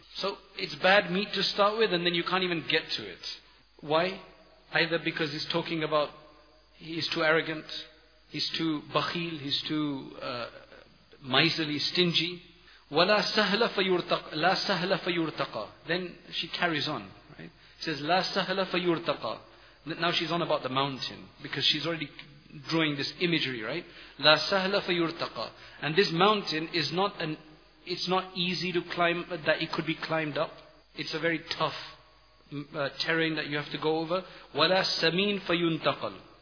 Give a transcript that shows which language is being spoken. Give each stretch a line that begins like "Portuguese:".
English: So it's bad meat to start with, and then you can't even get to it. Why? Either because he's talking about he's too arrogant, he's too bakhil, he's too miserly, stingy.
Arabic: وَلَا سَهْلَ فَيُرْتَقَى لَا سَهْلَ فَيُرْتَقَى.
English: Then she carries on, right? It says,
Arabic: لَا سَهْلَ فَيُرْتَقَى.
English: Now she's on about the mountain, because she's already drawing this imagery, right?
Arabic: لَا سَهْلَ فَيُرْتَقَى.
English: And this mountain is not it's not easy to climb, that it could be climbed up. It's a very tough terrain that you have to go over.
Arabic: وَلَا سَمِين فَيُنْتَقَلْ.